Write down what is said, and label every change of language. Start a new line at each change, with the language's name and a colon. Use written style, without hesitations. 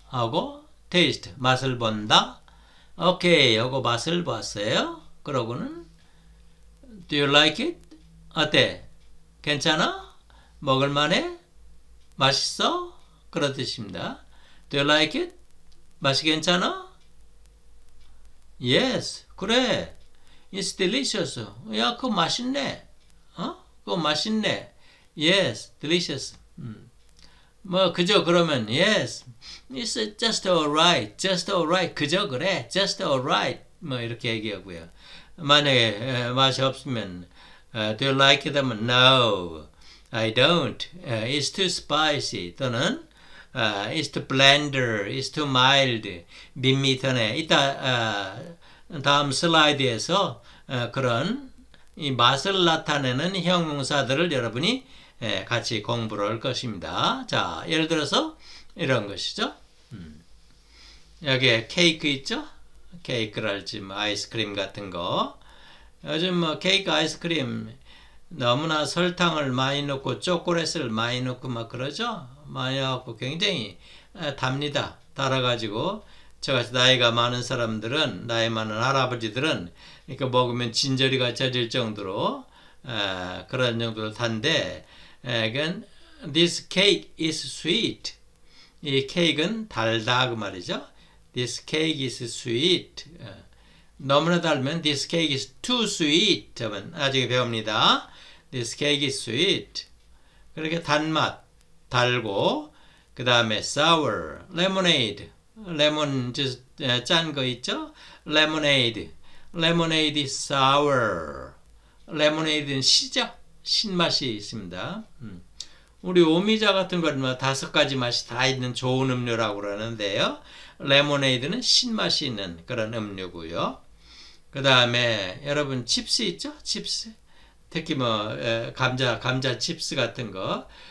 Korean: 하고 테이스트, 맛을 본다. 오케이, 하고 맛을 봤어요. 그러고는
English: Do you like it?
Korean: 어때? 괜찮아? 먹을만해? 맛있어? 그런 뜻입니다.
English: Do you like it?
Korean: 맛이 괜찮아? Yes, 그래.
English: It's delicious.
Korean: 야, 그거 맛있네. 어? 그거 맛있네.
English: Yes, delicious.
Korean: 뭐, 그저 그러면,
English: yes, it's just alright. Just alright.
Korean: 그저 그래.
English: Just alright.
Korean: 뭐, 이렇게 얘기하고요. 만약에 맛이 없으면,
English: do you like it? 하면, no, I don't. It's too spicy. 또는, it's too bland. It's too mild.
Korean: 밋밋하네. 이따, 다음 슬라이드에서 그런 이 맛을 나타내는 형용사들을 여러분이 같이 공부를 할 것입니다. 자, 예를 들어서 이런 것이죠. 여기에 케이크 있죠? 케이크랄지 뭐 아이스크림 같은 거. 요즘 뭐 케이크 아이스크림 너무나 설탕을 많이 넣고 초콜릿을 많이 넣고 막 그러죠? 많이 넣고 굉장히 답니다. 달아가지고. 저같이 나이가 많은 사람들은, 나이 많은 할아버지들은, 이렇게 먹으면 진저리가 젖을 정도로, 그런 정도로 단데,
English: again, this cake is sweet.
Korean: 이 케이크는 달다 그 말이죠.
English: This cake is sweet.
Korean: 너무나 달면
English: this cake is too sweet.
Korean: 나중에 배웁니다.
English: This cake is sweet.
Korean: 그렇게 단맛 달고 그 다음에 sour, lemonade, lemon 짠거 있죠?
English: Lemonade, lemonade is sour.
Korean: 레모네이드는 시죠? 신맛이 있습니다. 우리 오미자 같은 건뭐 다섯 가지 맛이 다 있는 좋은 음료라고 그러는데요. 레모네이드는 신맛이 있는 그런 음료고요. 그 다음에 여러분 칩스 있죠? 칩스. 특히 뭐 감자 칩스 같은 거.